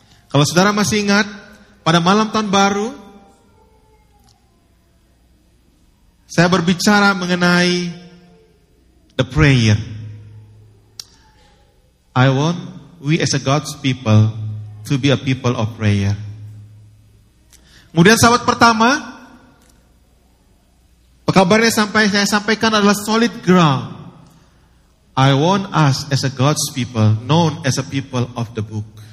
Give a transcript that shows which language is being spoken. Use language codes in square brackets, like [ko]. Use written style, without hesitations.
[id] Kalau saudara masih ingat, pada malam tahun baru, saya berbicara mengenai [en] the prayer. I want we as a God's people to be a people of prayer. [id] Kemudian sabat pertama, kabarnya sampai saya sampaikan adalah [en] solid ground. I want us as a God's people, known as a people of the book.